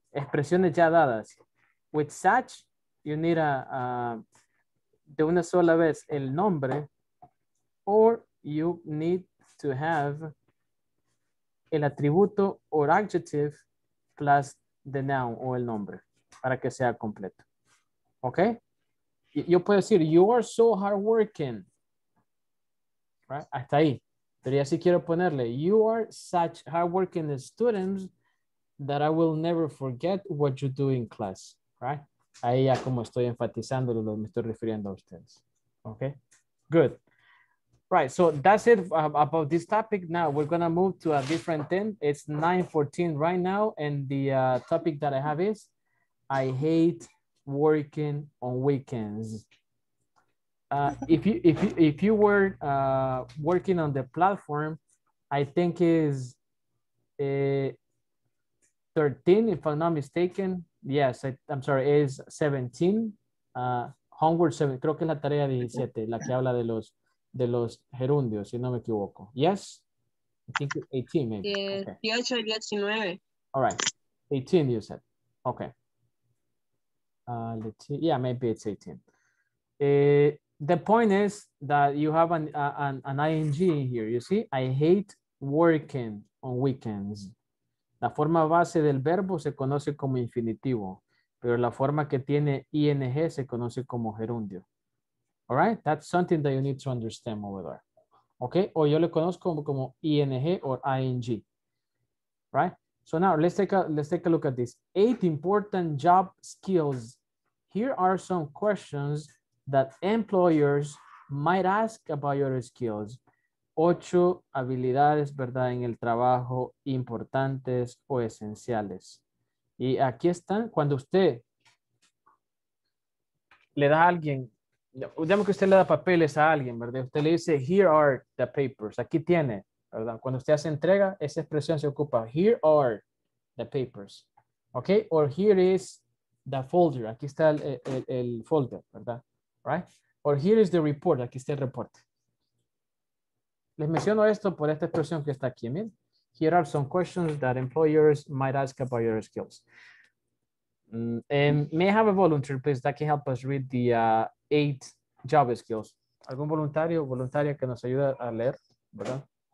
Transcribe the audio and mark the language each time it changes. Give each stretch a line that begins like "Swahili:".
Spanish: Expresiones ya dadas.
English: With such, you need
Spanish: de una sola vez el nombre,
English: or you need to have
Spanish: el atributo
English: or adjective plus the noun
Spanish: o el nombre para que sea completo, okay? Yo puedo decir,
English: you are so hardworking, right?
Spanish: Hasta ahí. Pero ya sí quiero ponerle,
English: you are such hardworking students that I will never forget what you do in class, right?
Spanish: Ahí ya como estoy enfatizando lo que me estoy refiriendo a ustedes.
English: Okay, good. Right, so that's it about this topic. Now we're going to move to a different thing. It's 9:14 right now. And the topic that I have is, I hate working on weekends. If you were working on the platform, I think is 13, if I'm not mistaken. Yes, I'm sorry, is 17. Homework 7,
Spanish: creo que es la tarea 17, la que habla de los gerundios, si no me equivoco.
English: Yes? I think 18, maybe. 18, okay. 19. All right, 18 you said. Okay. Let's see. Yeah, maybe it's 18. The point is that you have an ing here. You see, I hate working on weekends.
Spanish: La forma base del verbo se conoce como infinitivo, pero la forma que tiene ing se conoce como gerundio.
English: All right, that's something that you need to understand over there. Okay,
Spanish: o yo le conozco como
English: ing or ing. Right. So now let's take a look at this. 8 important job skills. Here are some questions that employers might ask about your skills.
Spanish: 8 habilidades, ¿verdad?, en el trabajo importantes o esenciales. Y aquí están, cuando usted le da a alguien, digamos que usted le da papeles a alguien, ¿verdad? Usted le dice,
English: here are the papers,
Spanish: aquí tiene, ¿verdad? Cuando usted hace entrega, esa expresión se ocupa,
English: here are the papers,
Spanish: ¿ok?
English: Or here is the folder,
Spanish: aquí está el folder, ¿verdad?
English: Right? Or here is the report,
Spanish: aquí está el reporte. Les menciono esto por esta expresión que está aquí, miren.
English: Here are some questions that employers might ask about your skills. May I have a volunteer, please, that can help us read the 8 job skills.
Spanish: ¿Algún voluntario o voluntaria que nos ayude a leer, verdad?